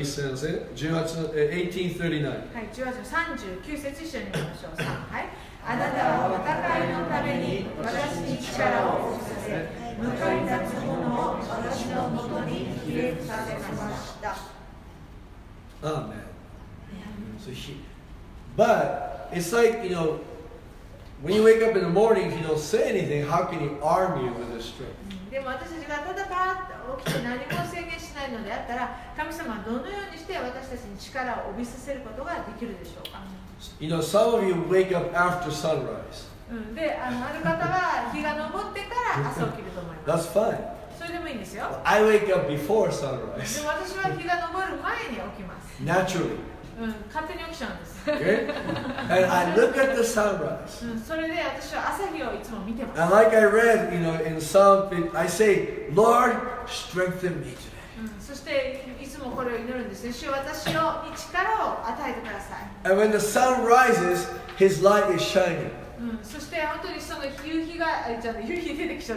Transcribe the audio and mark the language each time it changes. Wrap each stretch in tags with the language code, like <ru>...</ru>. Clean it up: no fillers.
<ja>一緒に言いましょう。18:39。はい、18:39節一緒に言いましょう。さあ、はい。あなたは戦いのために私に力を帯びさせ、向かい立つ者を私のもとに切り伏させました。アーメン。</ja> <en>そう、But it's like, you know,When you wake up in the morning, he don't say anything. How can he arm you with this strength?</en> <ja>でも私たちがただパーッと起きて何も宣言しないのであったら、神様はどのようにして私たちに力を帯びさせることができるでしょうか。</ja> <en>You know, some of you wake up after sunrise.</en> <ja>で、ある方は日が昇ってから朝起きると思います。</ja> <en>That's fine.</en> <ja>それでもいいんですよ。</ja> <en>I wake up before sunrise.</en> <ja>でも私は日が昇る前に起きます。</ja> <en>Naturally.</en> <ja>勝手に起きちゃうんです。</ja> <en>And I look at the sunrise.</en> <ja>それで私は朝日をいつも見てます。</ja> <en>And like I read, you know, in some, I say, Lord, strengthen me today.</en> <ja>そしていつもこれを祈るんですね。主よ、私をに力を与えてください。</ja> <en>And when the sun rises, His light is shining.</en> <ja>そして本当にその夕日が、夕日出てきちゃ</ja>